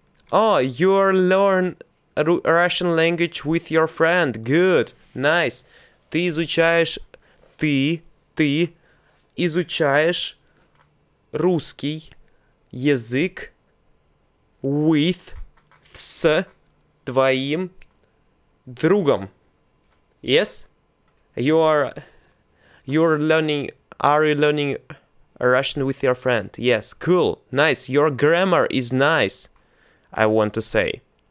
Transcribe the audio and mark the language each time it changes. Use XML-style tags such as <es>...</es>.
<en>Oh, you learn Russian language with your friend. Good, nice.</en> <ru>Ты изучаешь русский язык with с твоим другом.</ru> <en>Yes, Are you learning Russian with your friend? Yes, cool, nice. Your grammar is nice, I want to say.</en>